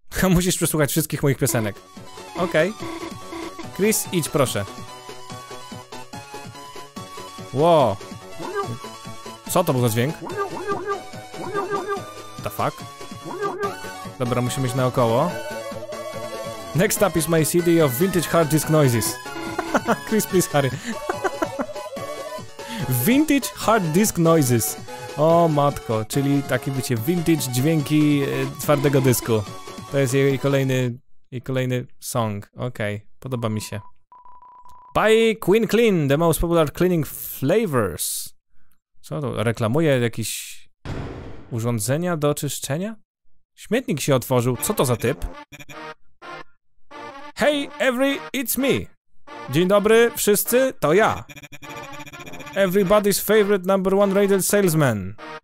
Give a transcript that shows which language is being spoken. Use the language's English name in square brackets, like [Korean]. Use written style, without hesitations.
[Polish] Musisz przesłuchać wszystkich moich piosenek. Okej. Okay. Chris, idź proszę. Ło. Co to był za dźwięk? [English] The fuck? [Polish] Dobra, musimy iść naokoło. [English] Next up is my CD of vintage hard disk noises. Chris, please hurry. Vintage hard disk noises. [Polish] O matko, czyli takie wiecie, vintage dźwięki twardego dysku. To jest jej kolejny song. Okej, okay, podoba mi się. [English] By Queen Clean, the most popular cleaning flavors. [Polish] Co to? Reklamuje jakieś urządzenia do czyszczenia? Śmietnik się otworzył, co to za typ? [English] Hey every, it's me. [Polish] Dzień dobry wszyscy, to ja. [English] Everybody's favorite number one rated salesman.